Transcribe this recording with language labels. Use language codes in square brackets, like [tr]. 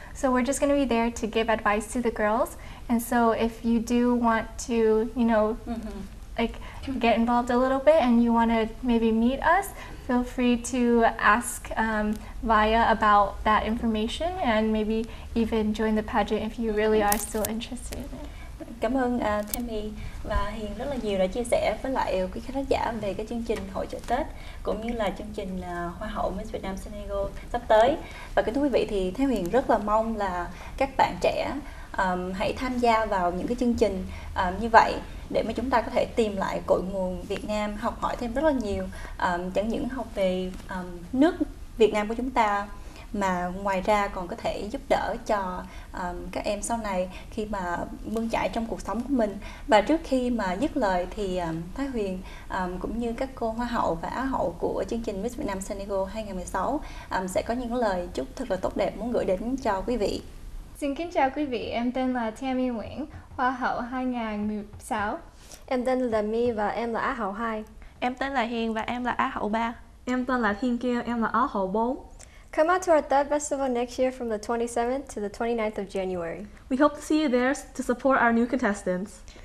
[en] So we're just going to be there to give advice to the girls. And so if you do want to, you know, mm-hmm. like get involved a little bit and you want to maybe meet us, feel free to ask Vaya about that information and maybe even join the pageant if you really are still interested. [vi] Cảm ơn Tammy và Hiền rất là nhiều đã chia sẻ với lại quý khán giả về cái chương trình hội chợ Tết cũng như là chương trình Hoa hậu Miss Việt Nam San Diego sắp tới. Và kính thưa quý vị, thì theo Hiền rất là mong là các bạn trẻ hãy tham gia vào những cái chương trình như vậy để mà chúng ta có thể tìm lại cội nguồn Việt Nam, học hỏi thêm rất là nhiều, chẳng những học về nước Việt Nam của chúng ta mà ngoài ra còn có thể giúp đỡ cho các em sau này khi mà bươn chải trong cuộc sống của mình. Và trước khi mà dứt lời thì Thái Huyền cũng như các cô Hoa hậu và Á hậu của chương trình Miss Việt Nam San Diego 2016 sẽ có những lời chúc thật là tốt đẹp muốn gửi đến cho quý vị. Xin kính chào quý vị, em tên là Tammy Nguyễn, Hoa hậu 2016. Em tên là My và em là Á hậu 2. Em tên là Hiền và em là Á hậu 3. Em tên là Thiên Kiêu, em là Á hậu 4. [en] Come out to our third festival next year from the 27th to the 29th of January. We hope to see you there to support our new contestants.